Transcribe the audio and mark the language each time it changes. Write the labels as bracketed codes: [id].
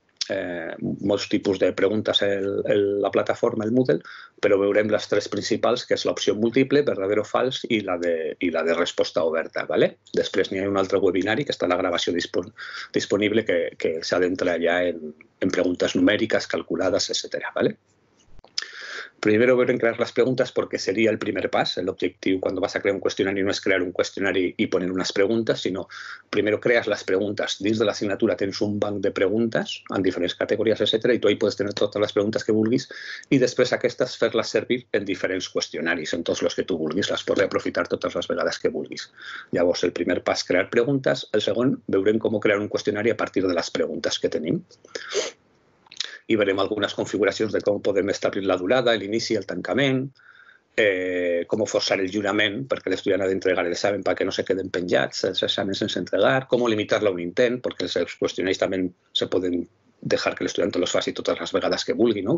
[ca] molts tipus de preguntes la plataforma, el Moodle, però veurem les tres principals, que és l'opció múltiple, verdader o fals, i la de resposta oberta. ¿Vale? Després n'hi ha un altre webinari, que està la gravació disponible, que s'adentra ja en preguntes numèriques, calculades, etc. ¿Vale? [es] Primero ver en crear las preguntas porque sería el primer paso. El objetivo cuando vas a crear un cuestionario no es crear un cuestionario y poner unas preguntas, sino primero creas las preguntas. [ca] Dins de la asignatura tens un banc de preguntas en diferents categories, etc. [es] Y tu ahí puedes tener [ca] totes les preguntes que vulguis i després aquestes fer-les servir en diferents qüestionaris, en tots los que tu vulguis. Les pots aprofitar totes les vegades que vulguis. Llavors, el primer pas, crear preguntes. El segon, veurem com crear un qüestionari a partir de les preguntes que tenim. I veurem algunes configuracions de com podem establir la durada, l'inici, el tancament, com forçar el jurament perquè l'estudiant ha d'entregar l'examen perquè no se queden penjats, els exàmens sense entregar, com limitar-lo a un intent, perquè els qüestionaris també se poden deixar que l'estudiant els faci totes les vegades que vulgui, no?